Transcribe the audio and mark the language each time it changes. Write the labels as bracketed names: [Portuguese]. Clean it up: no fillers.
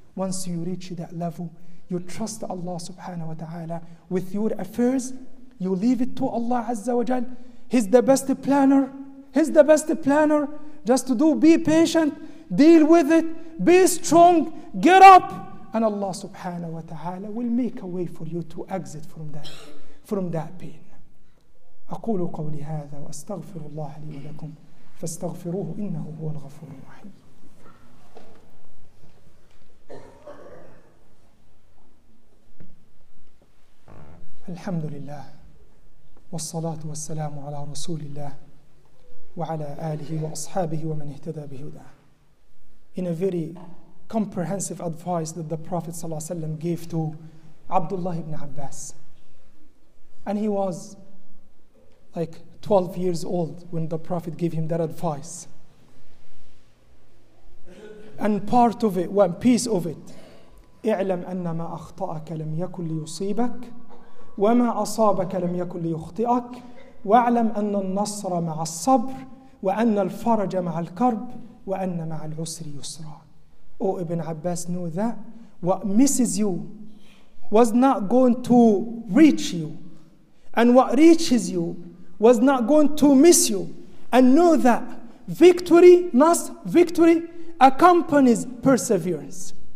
[English] Once you reach that level, you trust Allah subhanahu wa ta'ala with your affairs, you leave it to Allah azza wa jal. He's the best planner. He's the best planner. Just to do, be patient, deal with it, be strong, get up. And Allah subhanahu wa ta'ala will make a way for you to exit from that pain. [Arabic] أقول قولي هذا وأستغفر الله لي ولكم فاستغفروه إنه هو الغفور الرحيم. الحمد لله والصلاة والسلام على رسول الله وعلى آله وأصحابه ومن اهتدى بهداه. [English] In a very comprehensive advice that the Prophet ﷺ gave to Abdullah ibn Abbas. And he was like 12 years old when the Prophet gave him that advice. And part of it, one piece of it, [Arabic] اعلم أن ما أخطأك لم يكن ليصيبك وما أصابك لم يكن ليخطئك واعلم أن النصر مع الصبر وأن الفرج مع الكرب وأن مع العسر يسرا. [English] O Ibn Abbas, know that what misses you was not going to reach you, and what reaches you was not going to miss you. And know that victory, nas, victory accompanies perseverance.